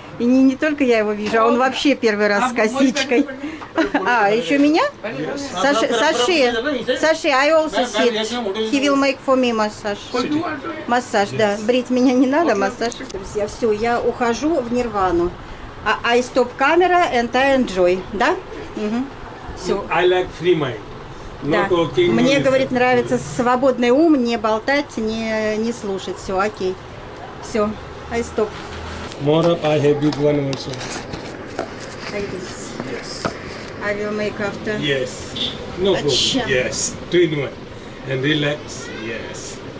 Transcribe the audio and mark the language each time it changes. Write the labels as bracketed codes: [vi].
[ru] И не только я его вижу, а он вообще первый раз с косичкой. А, еще меня? [en] Саши, Саши, I also sit. He will make for me массаж. [ru] Массаж, да. Брить меня не надо, массаж. Друзья, все, я ухожу в нирвану. [en] I stop camera and I enjoy, да? [ru] Все. [en] I like free mind. [ru] Да. Мне, говорит, нравится свободный ум, не болтать, не слушать. Все, окей. Все. [en] I stop. More up, I have big one also. I guess. Yes. I will make after. Yes. No problem. Yes. Two in one. And relax. Yes.